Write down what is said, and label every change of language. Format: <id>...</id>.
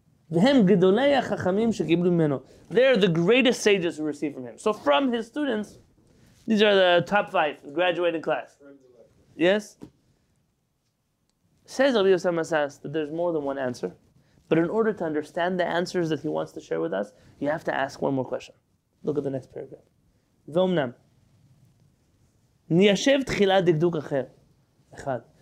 <he>והם גדולי החכמים שקיבלו ממנו.</he> <en>They are the greatest sages who receive from him. So from his students, these are the top five graduating class. Yes? Says Rabbi Yosef Masas that there's more than one answer. But in order to understand the answers that he wants to share with us, you have to ask one more question. Look at the next paragraph.</en> <he>ואומנם, ניישב תחילה דקדוק אחר.</he>